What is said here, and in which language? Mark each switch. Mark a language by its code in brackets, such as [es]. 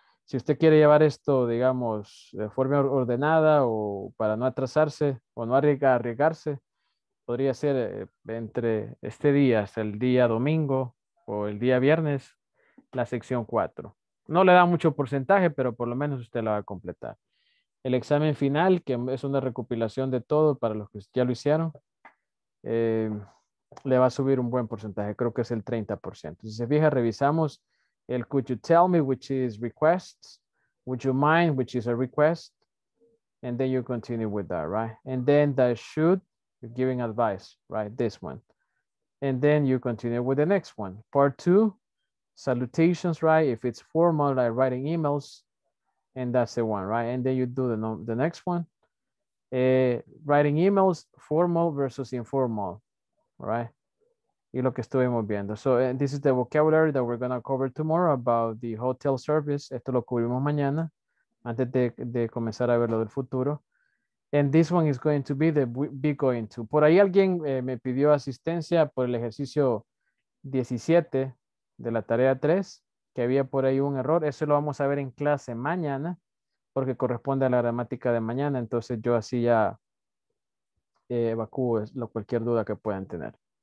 [es] Si usted quiere llevar esto, digamos, de forma ordenada o para no atrasarse o no arriesgarse, podría ser entre este día, hasta el día domingo o el día viernes, la sección 4. No le da mucho porcentaje, pero por lo menos usted la va a completar. El examen final, que es una recopilación de todo para los que ya lo hicieron, le va a subir un buen porcentaje, creo que es el 30%. Si se fija, revisamos el [en] could you tell me, which is requests, would you mind, which is a request, and then you continue with that, right? And then the should, you're giving advice, right? This one. And then you continue with the next one. Part two, salutations, right? If it's formal, like writing emails, and that's the one, right? And then you do the next one. Writing emails, formal versus informal, right? [es] Y lo que estuvimos viendo. [en] So this is the vocabulary that we're going to cover tomorrow about the hotel service. [es] Esto lo cubrimos mañana, antes de comenzar a ver lo del futuro. [en] And this one is going to be the be going to. [es] Por ahí alguien me pidió asistencia por el ejercicio 17 de la tarea 3, que había por ahí un error. Eso lo vamos a ver en clase mañana, porque corresponde a la gramática de mañana. Entonces yo así ya evacúo cualquier duda que puedan tener.